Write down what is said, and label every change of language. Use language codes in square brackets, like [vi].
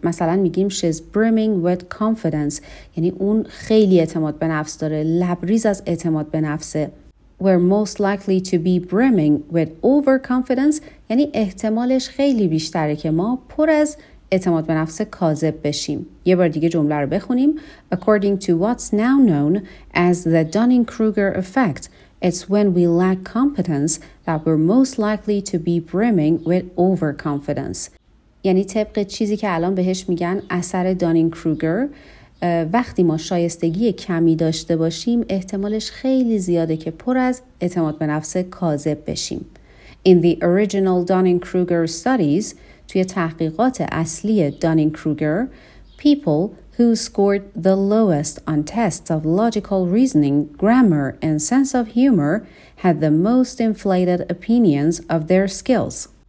[fa] مثلا میگیم [en] she's brimming with confidence، [fa] یعنی اون خیلی اعتماد به نفس داره، لبریز از اعتماد به نفسه. [en] We're most likely to be brimming with overconfidence [fa] یعنی احتمالش خیلی بیشتره که ما پر از اعتماد به نفس کاذب بشیم. یه بار دیگه جمله رو بخونیم. [en] According to what's now known as the Dunning-Kruger effect، it's when we lack competence that we're most likely to be brimming with overconfidence. [fa] یعنی طبق چیزی که الان بهش میگن اثر دانینگ کروگر، وقتی ما شایستگی کمی داشته باشیم احتمالش خیلی زیاده که پر از اعتماد به نفس کاذب بشیم. [en] In the original Dunning Kruger studies، [fa] توی تحقیقات اصلی دانینگ کروگر، [en] people who scored the lowest on tests of logical reasoning, grammar, and sense of humor had the most inflated opinions of their skills.